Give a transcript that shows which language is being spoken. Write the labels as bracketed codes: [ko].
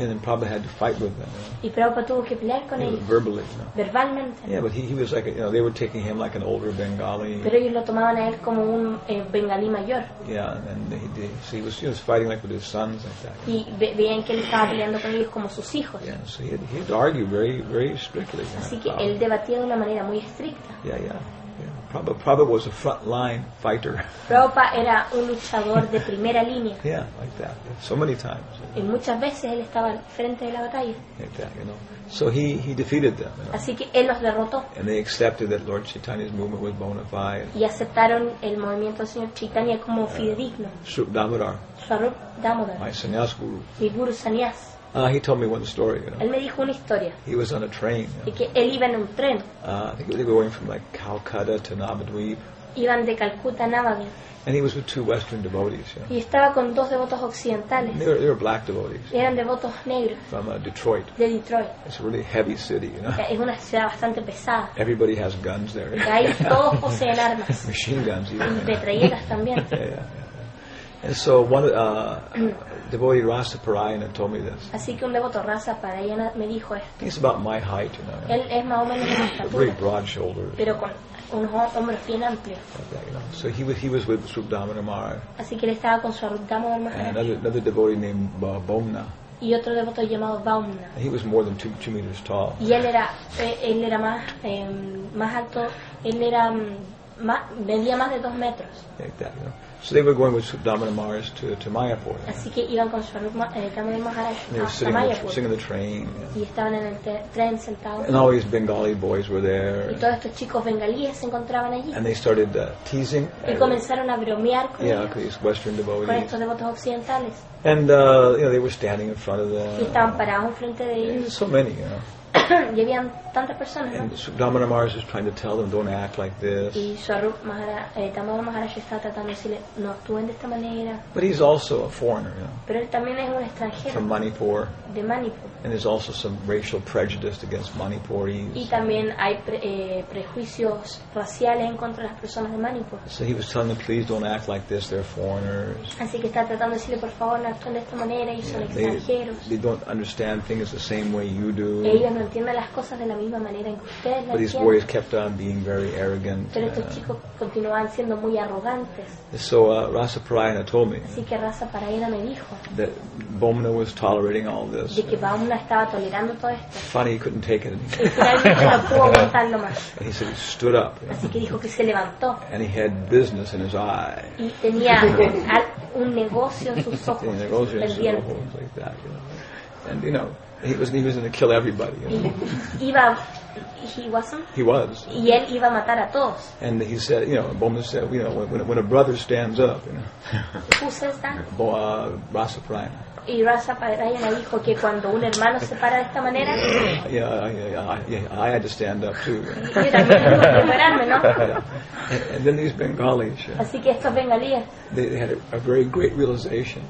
[en] Yeah, and Prabhupada had to fight with them. [es] Y Prabhupada tuvo que pelear con ellos. [en] Verbally. You know. [es] Verbalmente. [en] Yeah, but he was like, you know, they were taking him like an older Bengali. [es] Pero ellos lo tomaban a él como un bengalí mayor. [en] Yeah, and he was fighting like with his sons like that. [es] Y veían que él estaba peleando con ellos como sus hijos. [en] Yeah, so he'd argue very, very strictly. [es] Así que él debatía de una manera muy estricta. [en] Yeah, yeah, yeah. Prabhupada was a front-line fighter. [es] Prabhupada era un luchador de primera línea. [en] Yeah, like that. So many times. [es] Y muchas veces él estaba frente de la batalla. [en] Like that, you know. So he defeated them. You know. [es] Así que él los derrotó. [en] And they accepted that Lord Chaitanya's movement was bona fide. [es] Y aceptaron el movimiento del señor Chaitanya como fidedigno. [en] Swarup Damodar. [es] Swarup Damodar. [en] My sannyas guru. [es] Mi guru sannyas. [en] He told me one story. You know. [es] Él me dijo una historia. [en] He was on a train. You know. [es] Él iba en un tren. [en] I think they were going from like Calcutta to Navadweep. [es] Iban de Calcuta a Navadweep. [en] And he was with two Western devotees. You know. [es] Y estaba con dos devotos occidentales. [en] They were black devotees. [es] Eran devotos negros. [en] From Detroit. [es] De Detroit. [en] It's a really heavy city, you know. [es] Es una ciudad bastante pesada. [en] Everybody has guns there. [es] Y ahí todos poseen armas. [en] Machine guns. [es] Y metralletas también. [en] And so one devotee Rasa Parayana told me this. [es] Así que un devoto Rasa Parayana me dijo esto. [en] He's about my height, you know. [es] Él es más o menos de mi estatura. [en] Very broad shoulders. [es] Pero con unos hombros bien amplios. [en] Like that, you know. So he was with Swarup Damodar Maharaj. [es] Así que él estaba con Swarup Damodar Maharaj. [en] And another devotee named Bhavna. [es] Y otro devoto llamado Bhavna. [en] And he was more than two meters tall. [es] Y él era más alto. Él era medía más de 2 metros. [en] Like that, you know. So they were going with Swarup Damodar Maharaj to Mayapur. [es] Así que iban con Swarup Damodar Maharaj a Mayapur. [en] They were sitting on the train. [es] Y estaban en el tren sentados. [en] And all these Bengali boys were there. [es] Y todos estos chicos bengalíes se encontraban allí. [en] And they started teasing. [es] Y comenzaron a bromear con ellos. [en] Yeah, these Western devotees. [es] Con estos devotos occidentales. [en] And you know, they were standing in front of them. [es] Y estaban parados frente de ellos. [en] So many, you know. [es] Y habían tantas personas, [en] and [es] ¿no? [en] Swarup Damodar Maharaj is trying to tell them, don't act like this. [es] Y Swarup Damodar Maharaj está tratando de decirle, no actúen de esta manera. [en] But he's also a foreigner, you know. [es] Pero él también es un extranjero. [en] From Manipur. [es] De Manipur. [en] And there's also some racial prejudice against Manipuris. [es] Y también hay prejuicios raciales en contra de las personas de Manipur. [en] So he was telling them, please don't act like this, they're foreigners. [es] Así que está tratando de decirle, por favor, no actúen de esta manera, ellos son extranjeros. [en] They don't understand things the same way you do. [es] Ellos no entienden las cosas de la misma manera en que ustedes las tienen. [en] But these boys kept on being very arrogant. [es] Pero estos chicos continuaban siendo muy arrogantes. [en] So Rasa Parayana told me. [es] Así que Rasa Parayana me dijo. [en] That Bhavna was tolerating all this. [es] De que Bhavna estaba tolerando todo esto. [en] Funny, he couldn't take it anymore. [es] Y finalmente no pudo aguantarlo más. [en] He said he stood up. [es] Así que dijo que se levantó. [en] And he had business in his eye. [es] Y tenía un negocio en sus ojos. Un negocio en sus ojos, [en] like that, you know. And you know, he was going to kill everybody. You know? He was. [es] Y él iba a matar a todos. [en] And he said, you know, Bhoma said, you know, when a brother stands up, you know. Who says that? Rasaprayana. [es] Y Rasaprayana dijo que cuando un hermano se para de esta manera. [en] Yeah, I had to stand up too. [es] Y también tuve que pararme, ¿no? [en] And then these Bengalis. [es] Así que estos bengalíes. [en] They had a very great realization.